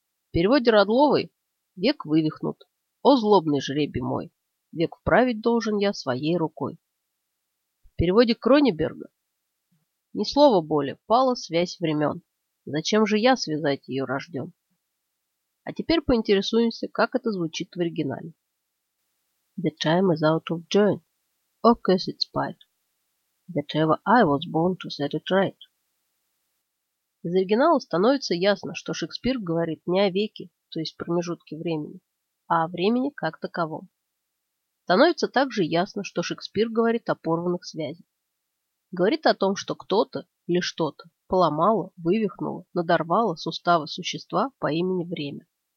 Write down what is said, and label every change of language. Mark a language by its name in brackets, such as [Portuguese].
[Russian] В переводе Радловой «Век вывихнут, о злобный жребий мой, век вправить должен я своей рукой». В переводе Кронеберга «Ни слова более, пала связь времен, зачем же я связать ее рожден?» А теперь поинтересуемся, как это звучит в оригинале. [English] The time is out of joint, or cursed spite, that ever I was born to set it right. [Russian] Из оригинала становится ясно, что Шекспир говорит не о веке, то есть промежутке времени, а о времени как таковом. Становится также ясно, что Шекспир говорит о порванных связях. Говорит о том, что кто-то или что-то поломало, вывихнуло, надорвало суставы существа по имени время.